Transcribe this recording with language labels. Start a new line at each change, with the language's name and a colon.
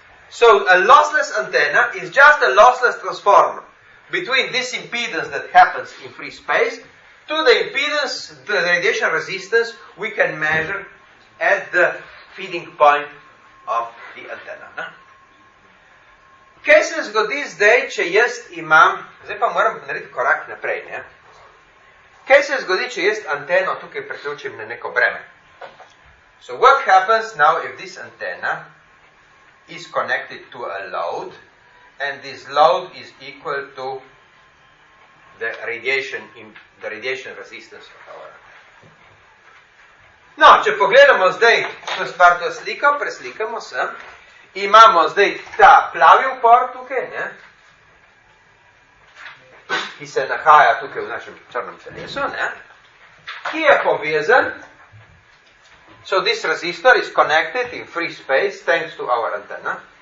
English: So, a lossless antenna is just a lossless transformer between this impedance that happens in free space to the impedance, the radiation resistance we can measure at the feeding point of the antenna.
Slovenian: Ne? Kaj se zgodi zdaj, če jaz imam, zdaj pa moram narediti korak naprej, ne? Kaj se zgodi, če jaz anteno tukaj priključim na neko breme?
English: So, what happens now if this antenna is connected to a load, and this load is equal to the radiation in the radiation resistance of our antenna.
Slovenian: No, če pogledamo zdaj to stvarno sliko, preslikamo se, imamo zdaj ta plavi upor tukaj, ne, ki se nahaja tukaj v našem črnem telesu, ne, ki je povezan.
English: So, this resistor is connected in free space thanks to our antenna.